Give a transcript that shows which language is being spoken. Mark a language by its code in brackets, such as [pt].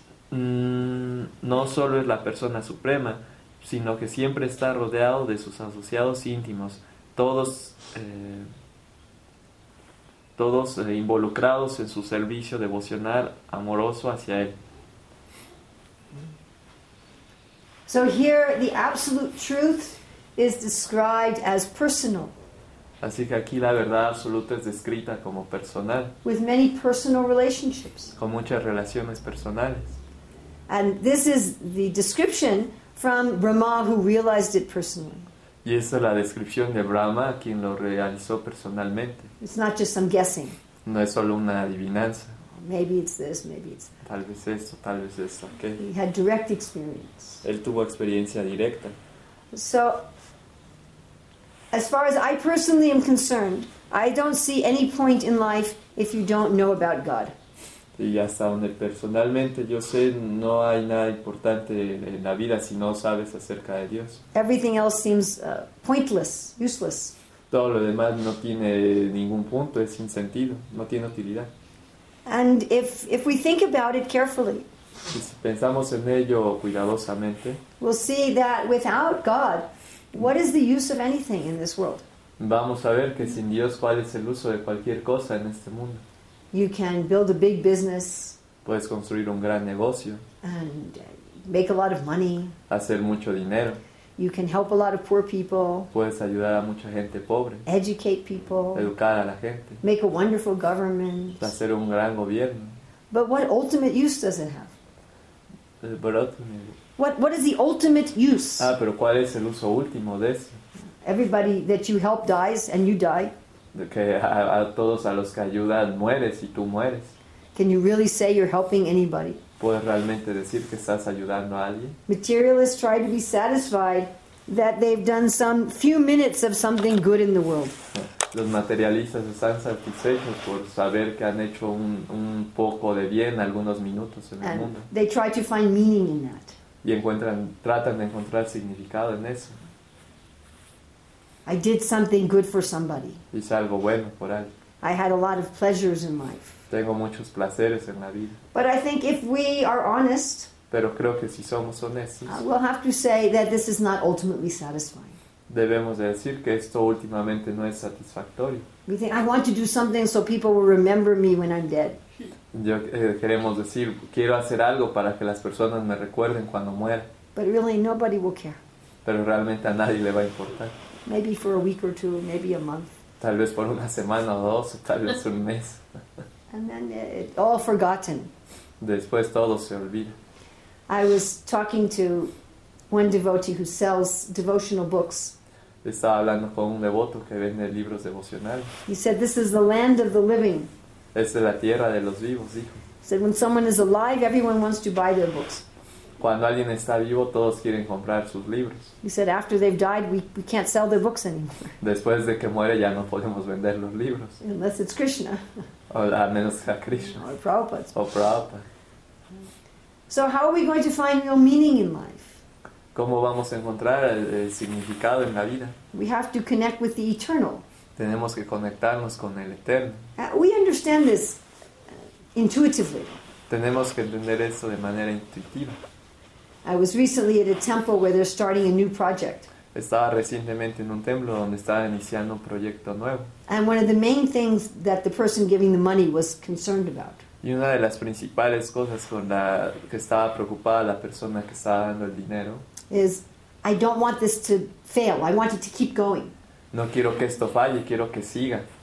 [es] no solo es la persona suprema, sino que siempre está rodeado de sus asociados íntimos, todos involucrados en su servicio devocional amoroso hacia Él. [en] So here the absolute truth is described as personal. [es] Así que aquí la verdad absoluta es descrita como personal. [en] With many personal relationships. [es] Con muchas relaciones personales. [en] And this is the description from Brahma who realized it personally. [es] Y esa es la descripción de Brahma, quien lo realizó personalmente. [en] It's not just some guessing. [es] No es solo una adivinanza. [en] Maybe it's this, maybe it's that. [es] Tal vez esto, ¿qué? [en] He had direct experience. [es] Él tuvo experiencia directa. [en] So, as far as I personally am concerned, I don't see any point in life if you don't know about God. [es] Y hasta donde personalmente yo sé, no hay nada importante en la vida si no sabes acerca de Dios. [en] Everything else seems pointless, useless. [es] Todo lo demás no tiene ningún punto, es sin sentido, no tiene utilidad. [en] And if we think about it carefully, [es] y si pensamos en ello cuidadosamente, [en] we'll see that without God, what is the use of anything in this world? [es] Vamos a ver que sin Dios, ¿cuál es el uso de cualquier cosa en este mundo? [en] You can build a big business. [es] Puedes construir un gran negocio. [en] And make a lot of money. [es] Hacer mucho dinero. [en] You can help a lot of poor people. [es] Puedes ayudar a mucha gente pobre. [en] Educate people. [es] Educar a la gente. [en] Make a wonderful government. [es] Hacer un gran gobierno. [en] But what ultimate use does it have? What is the ultimate use? [es] Ah, pero ¿cuál es el uso último de eso? [en] Everybody that you help dies and you die. [es] Que a todos a los que ayudan mueres y tú mueres. [en] Can you really say you're helping anybody? [es] ¿Puedes realmente decir que estás ayudando a alguien? [en] Materialists try to be satisfied that they've done some few minutes of something good in the world. [es] Los materialistas están satisfechos por saber que han hecho un poco de bien algunos minutos en el [en] and [es] mundo. [en] They try to find meaning in that. [es] Y tratan de encontrar significado en eso. [en] I did something good for somebody. [es] Hice algo bueno por alguien. [en] I had a lot of pleasures in life. [es] Tengo muchos placeres en la vida. [en] But I think if we are honest, [es] pero creo que si somos honestos, [en] we'll have to say that this is not ultimately satisfying. [es] Debemos de decir que esto últimamente no es satisfactorio. [en] We think, I want to do something so people will remember me when I'm dead. [es] Queremos decir, quiero hacer algo para que las personas me recuerden cuando muera. [en] But really, nobody will care. [es] Pero realmente a nadie le va a importar. [en] Maybe for a week or two, maybe a month. [es] Tal vez por una semana o dos, tal vez un mes. [en] And then it all forgotten. [es] Después todo se olvida. [en] I was talking to one devotee who sells devotional books. [es] Estaba hablando con un devoto que vende libros devocionales. [en] He said, "This is the land of the living." [es] Es la tierra de los vivos, dijo. [en] He said, "When someone is alive, everyone wants to buy their books." [es] Cuando alguien está vivo, todos quieren comprar sus libros. [en] He said, "After they've died, we can't sell their books anymore." [es] Después de que muere, ya no podemos vender los libros. [en] Unless it's Krishna. [es] O a menos que a Krishna. [en] Or Prabhupada. [es] O Prabhupada. [en] So how are we going to find real meaning in life? [es] ¿Cómo vamos a encontrar el significado en la vida? [en] We have to connect with the eternal. [es] Tenemos que conectarnos con el eterno. [en] We understand this intuitively. [es] Tenemos que entender esto de manera intuitiva. [en] I was recently at a temple where they're starting a new project. [es] Estaba recientemente en un templo donde estaba iniciando un proyecto nuevo. [en] And one of the main things that the person giving the money was concerned about. [es] Y una de las principales cosas con la que estaba preocupada la persona que estaba dando el dinero [en] is I don't want this to fail. I want it to keep going. [es] No quiero que esto falle, quiero que siga.